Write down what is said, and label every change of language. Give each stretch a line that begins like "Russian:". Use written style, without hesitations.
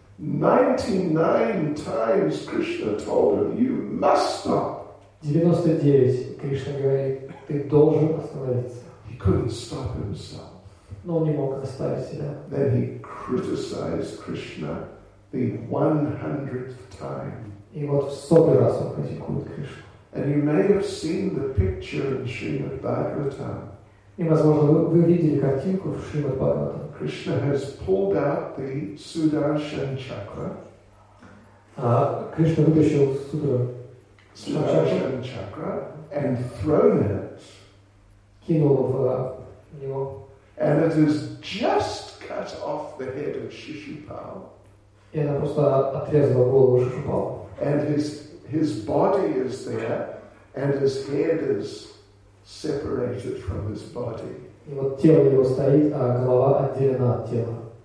English: 99 times Krishna told him, you must stop.
Russian: 99 Кришна говорит, ты должен остановиться.
English: He couldn't stop himself.
Russian: Но он не мог остановить себя.
English: Then he criticized Krishna the 100th time.
Russian: И вот в сотый раз он критикует Кришну.
English: And you may have seen the picture in Srimad Bhagavatam.
Russian: И, возможно, вы видели картинку в Шримад Бхагаватам.
English: Krishna has pulled out the Sudarshan chakra.
Russian: Кришна вытащил
English: Sudarshan chakra and thrown it.
Russian: Кинул в него.
English: And it is just cut off the head of Shishupal.
Russian: И она просто отрезала голову Шишупал.
English: And his body is there, and his head is separated from his body.
Russian: И вот тело его стоит, а голова отделена от тела.